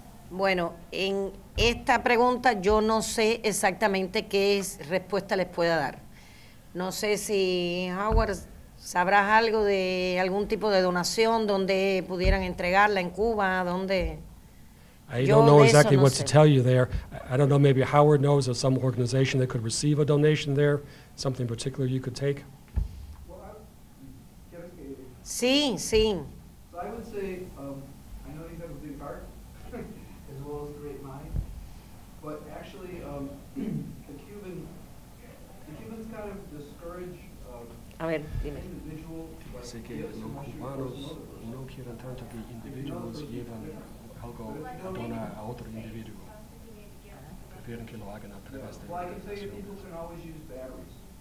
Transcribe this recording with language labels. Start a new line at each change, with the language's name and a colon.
Spanish: Bueno, en esta pregunta yo no sé exactamente qué respuesta les pueda dar. No sé si Howard sabrás algo de algún tipo de donación donde pudieran entregarla en Cuba, donde.
English: I don't know exactly what to tell you there. I don't know, maybe Howard knows of some organization that could receive a donation there, something particular you could take.
Spanish: Sí, sí.
English: So I would say, I know you have a big heart as well as a great mind, but actually, the Cubans kind of discourage individuals.
Spanish: Sé que los cubanos no quieren tanto que individuos lleven algo a donar a otro individuo. Prefieren que lo hagan a través de.
English: Well, I can say your people can always use batteries.